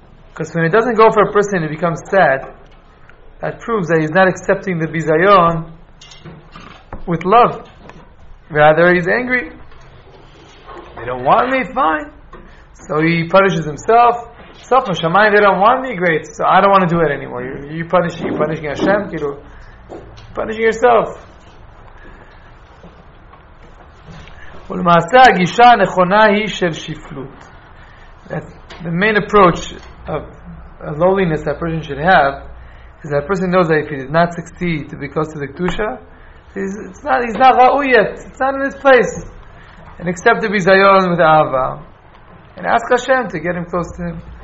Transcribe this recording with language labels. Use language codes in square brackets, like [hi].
[en] Because when it doesn't go for a person, it becomes sad. That proves that he's not accepting the bizayon with love. Rather, he's angry. They don't want me, fine. So he punishes himself. Self Hashemayim, they don't want me, great. So I don't want to do it anymore. You're punishing Hashem, you're punishing yourself. [he] ולמעשה הגישה הנכונה היא של שפלות. [en] The main approach of lowliness that a person should have is that a person knows that if he did not succeed because of the Kedusha, he's not ra'ui yet. It's not in his place. And accept the bizayon with Ahava. And ask Hashem to get him close to him.